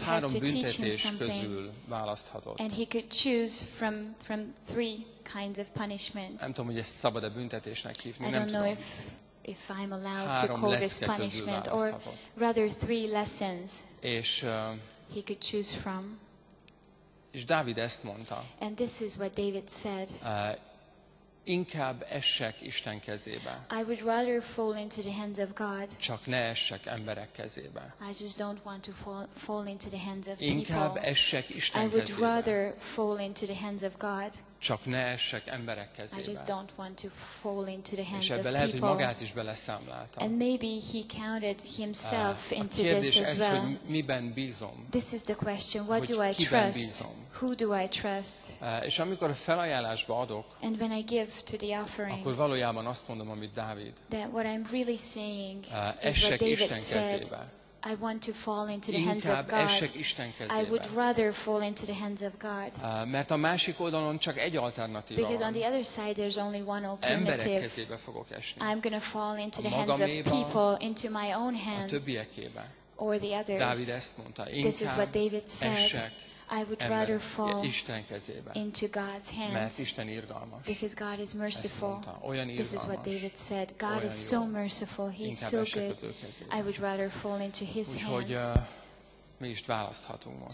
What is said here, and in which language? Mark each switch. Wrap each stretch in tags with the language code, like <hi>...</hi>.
<hu>három büntetés közül választhatott.</hu> <en>And he could choose from three kinds of punishment.</en> <hu>Nem tudom, hogy ezt szabad-e büntetésnek hívni, nem tudom.</hu> <en>If I'm allowed to call this punishment, or rather three lessons.</en> <hu>És</hu> <en>he could choose from.</en> <hu>És Dávid ezt mondta.</hu> <en>And this is what David said.</en> <hu>Inkább essek Isten kezébe.</hu> <en>I would rather fall into the hands of God.</en> <hu>Csak ne essek emberek kezébe.</hu> <en>I just don't want to fall into the hands of</en> <hu>inkább</hu> <en>people.</en> <hu>Inkább essek Isten kezébe.</hu> <en>I would</en> <hu>kezébe.</hu> <en>Rather fall into the hands of God.</en> <hu>Csak ne essek emberek kezébe.</hu> <en>I just don't want to fall into the hands of people.</en> <hu>És lehet, hogy magát is beleszámlálta.</hu> <en>And maybe he counted himself into this</en> <hu>ez,</hu> <en>as well.</en> <hu>A kérdés ez, hogy miben bízom.</hu> <en>This is the question, what</en> <hu>hogy</hu> <en>do I</en> <hu>kiben</hu> <en>trust?</en> <hu>Bízom?</hu> <en>Who do I trust?</en> <hu>És amikor a felajánlásba adok,</hu> <en>and when I give to the offering,</en> <hu>akkor valójában azt mondom, amit Dávid.</hu> <en>That what I'm really saying is what David</en> <hu>Isten kezébe.</hu> <en>Said, I want to fall into the hands of God.</en> <hu>Inkább essek Isten kezébe.</hu> <en>I would rather fall into the hands of God.</en> <hu>Mert a másik oldalon csak egy alternatíva</hu> <en>because</en> <hu>van.</hu> <en>On the other side there's only one alternative.</en> <hu>Emberek kezébe fogok esni.</hu> <en>I'm going to fall into</en> <hu>a</hu> <en>the hands of people, into my own hands.</en> <hu>A többiekébe.</hu> <en>Or the others.</en> <hu>Dávid ezt mondta.</hu> <en>This is what David said.</en> <hu>Essek</hu> <en>I would rather fall</en> <hu>Isten kezébe,</hu> <en>into God's hands.</en> <hu>Mert Isten irgalmas.</hu> <en>Because God is merciful.</en> <hu>Olyan irgalmas.</hu> <en>This is what David said. God is so merciful. He's so good. I would rather fall into his</en> <hu>úgy,</hu> <en>hands.</en> <hu>Hogy, mi is választhatunk most.</hu>